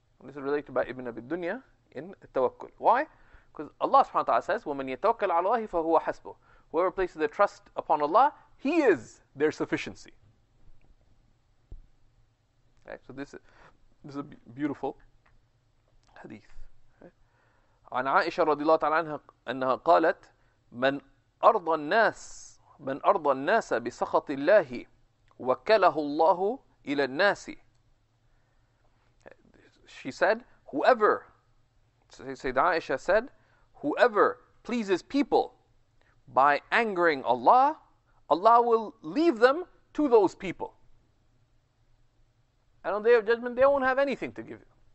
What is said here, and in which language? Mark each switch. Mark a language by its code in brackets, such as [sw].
[en] And this is related by Ibn Abi Dunya in Tawakkul. Why? Because Allah subhanahu wa ta'ala says, [ar] وَمَنْ يَتَوَكَّلْ عَلَى اللَّهِ فَهُوَ حَسْبُهُ. [en] Whoever places their trust upon Allah, He is their sufficiency. Okay, so this is a beautiful hadith. [ar] عن عائشة رضي الله تعالى عنها أنها قالت من أرضى الناس بسخط الله وكله الله إلى الناس. [en] She said, whoever, Sayyidina Aisha said, whoever pleases people by angering Allah, Allah will leave them to those people. And on the day of judgment, they won't have anything to give you.